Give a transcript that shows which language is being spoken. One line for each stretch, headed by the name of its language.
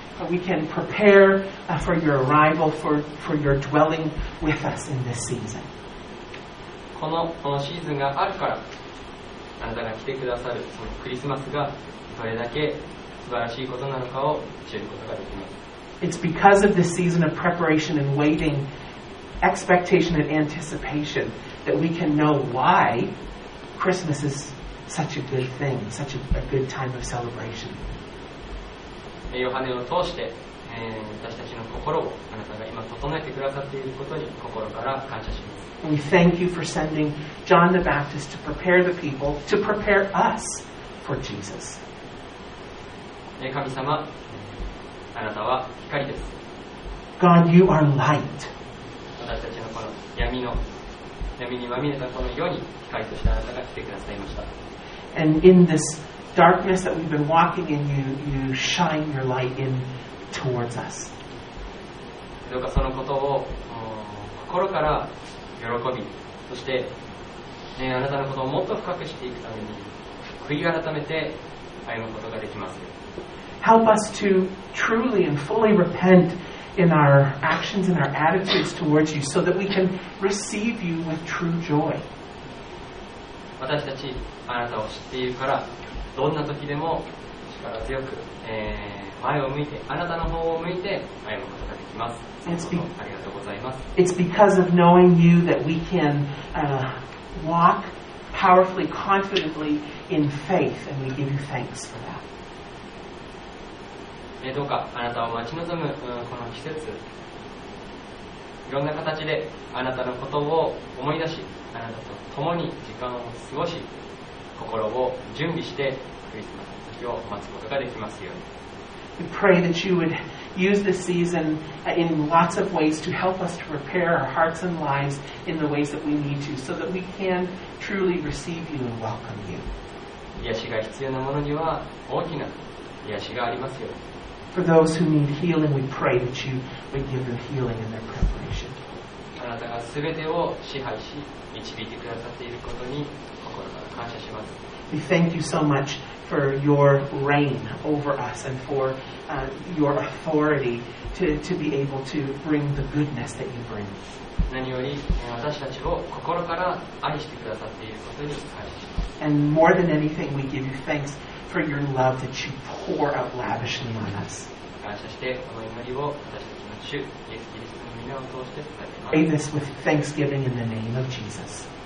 English: We can prepare for your arrival, for your dwelling with us in this season.
Japanese: このシーズンがあるから、あなたが来てくださるそのクリスマスがどれだけ素晴らしいことなのかを知ることができます。
English: It's because of this season of preparation and waiting, expectation and anticipation that we can know why Christmas is such a good thing, such a good time of celebration.
Japanese: ヨハネを通して、私たちの心をあなたが今整えてくださっていることに心から感謝します。
English: And we thank you for sending John the Baptist to prepare the people, to prepare us for Jesus.
Japanese: 神様、あなたは光です。
English: God, you are light.
Japanese: 私たちのこの闇にまみれたこの世に光としてあなたが来てくださいました。
English: And in this darkness that we've been walking in, you shine your light in towards us.
Japanese: どうかそのことを心から喜び、そして、あなたのことをもっと深く知っていくために悔い改めて歩むことができます。
English: Help us to truly and fully repent in our actions and our attitudes towards you so that we can receive you with true joy.
Japanese: 私たちあなたを知っているから、どんな時でも力強く、前を向いて、あなたの方を向いて歩むことができます。ありがとうございます。
English: It's because of knowing you that we can, walk powerfully, confidently in faith, and we give you thanks for that.
Japanese: どうかあなたを待ち望むこの季節、いろんな形であなたのことを思い出し、あなたと共に時間を過ごし、心を準備してクリスマスの時を待つことができますように。
English: We pray that you would use this season in lots of ways to help us to prepare our hearts and lives in the ways that we need to, so that we can truly receive you and welcome you.
Japanese: 癒しが必要なものには大きな癒しがありますように。
English: For those who need healing, we pray that you would give them healing in their preparation.
Japanese: あなたがすべてを支配し、導いてくださっていることに心から感謝します。
English: We thank you so much for your reign over us and for, your authority to be able to bring the goodness that you bring.
Japanese: 何より私たちを心から愛してくださっていることに感謝します。
English: And more than anything, we give you thanks. For your love that you pour out lavishly on us. Pray this with thanksgiving in the name of Jesus.